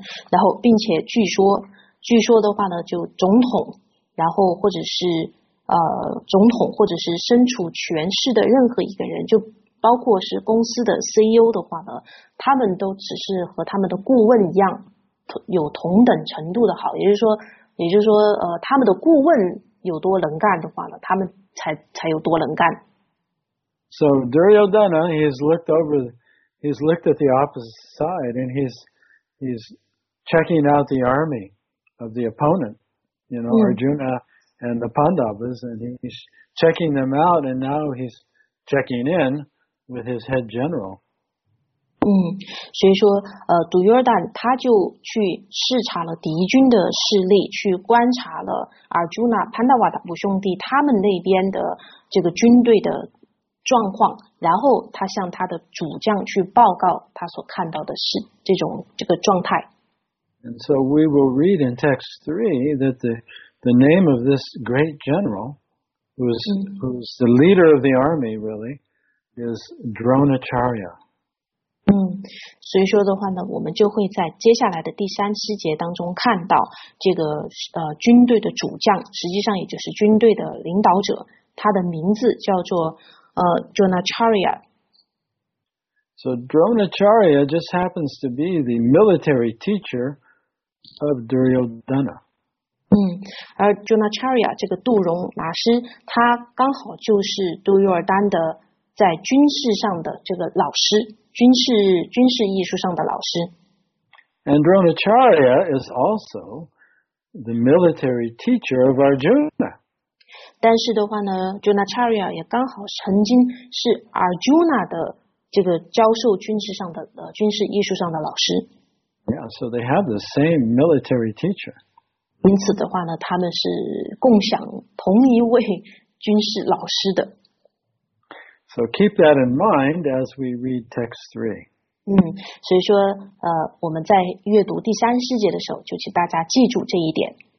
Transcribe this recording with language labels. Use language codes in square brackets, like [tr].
[zh] 然后并且据说的话呢就总统，然后或者是总统或者是身处权势的任何一个人，就包括是公司的 CEO 的话呢，他们都只是和他们的顾问一样，有同等程度的好。也就是说，他们的顾问有多能干的话呢，他们才有多能干。 [en] So Duryodhana, he's looked at the opposite side, and he's checking out the army of the opponent. you know, Arjuna and the Pandavas, and he's checking them out, and now he's checking in with his head general. [zh] 所以说杜约尔旦他就去视察了敌军的势力，去观察了阿尔朱纳、潘达瓦的五兄弟他们那边的这个军队的状况，然后他向他的主将去报告他所看到的是这种这个状态。 [en] And so we will read in text 3 that the name of this great general, who's the leader of the army really, is Dronacharya. [zh] 所以说的话呢，我们就会在接下来的第三诗节当中看到这个军队的主将，实际上也就是军队的领导者，他的名字叫做Dronacharya. [en] So Dronacharya just happens to be the military teacher of Duryodhana. [zh] 而 Dronacharya 这个杜戎拿师，他刚好就是杜约尔丹的在军事上的这个老师。军事艺术上的老师。 [en] And Dronacharya is also the military teacher of Arjuna. [zh] 但是的话呢 ,Dronacharya 也刚好曾经是 Arjuna 的这个教授军事上的军事艺术上的老师。 [en] Yeah, so they have the same military teacher. [zh] 因此的话呢他们是共享同一位军事老师的。 [en] So keep that in mind as we read text 3. [zh] 所以说我们在阅读第三诗节的时候就请大家记住这一点。